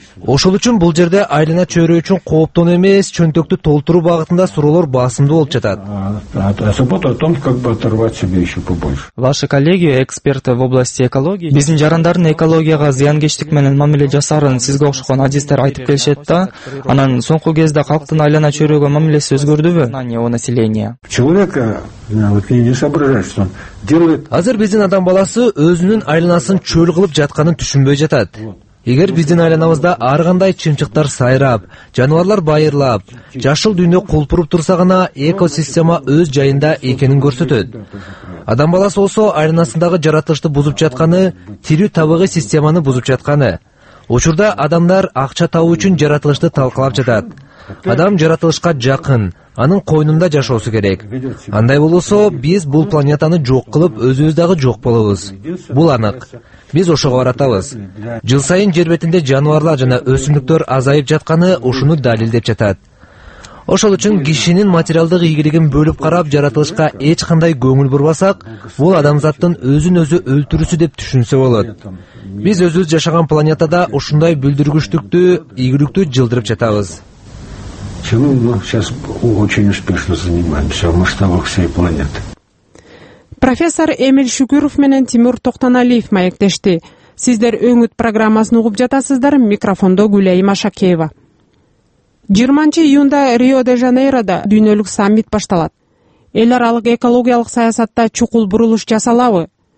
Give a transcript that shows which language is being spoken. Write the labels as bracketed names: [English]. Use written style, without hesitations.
[Kyrgyz] Ошол үчүн бул жерде айлана чөйрө үчүн кооптон эмес, чөнтөктү толтуруу багытында суроолор басымдуу болуп жатат. [Russian] Ваши коллеги, эксперты в области экологии, [Kyrgyz] биздин жарандардын экологияга зыянкечтик менен мамиле жасаарын сизге окшогон адистер айтып келишет да, анан соңку кезде калктын айлана чөйрөгө мамилеси өзгөрдүбү? [Russian] Человека не соображает, что он делает. [Kyrgyz] Азыр биздин адам баласы өзүнүн айланасын чөл кылып жатканын түшүнбөй жатат. Эгер биздин айланабызда ар кандай чымчыктар сайрап, жаныбарлар байырлап, жашыл дүйнө кулпуруп турса гана экосистема өз жайында экенин көрсөтөт. Адам баласы болсо айланасындагы жаратылышты бузуп жатканы, тирүү табигый системаны бузуп жатканы. Учурда адамдар акча табуу үчүн жаратылышты талкалап жатат. Адам жаратылышка жакын, анын койнунда жашоосу керек. Андай болсо, биз бул планетаны жок кылып, өзүбүз дагы жок болобуз. Бул анык. Биз ошого баратабыз. Жыл сайын жер бетинде жаныбарлар жана өсүмдүктөр азайып жатканы ушуну далилдеп жатат. Ошол үчүн кишинин материалдык ийгилигин бөлүп карап, жаратылышка эч кандай көңүл бурбасак, бул адамзаттын өзүн өзү өлтүрүүсү деп түшүнсө болот. Биз өзүбүз жашаган планетада ушундай бүлдүргүчтүктү, ийгиликтүү жылдырып жатабыз. [Russian] Чему мы сейчас очень успешно занимаемся в масштабах всей планеты. [Kyrgyz] Профессор Эмиль Шүкүров менен Тимур Токтоналиев маектешти. Сиздер өңүт программасын угуп жатасыздар. Микрофондо Гүлайма Шакеева. 20 июнда Рио-де-Жанейрода дүйнөлүк саммит башталат. Эл аралык экологиялык саясатта чукул бурулуш жасалабы?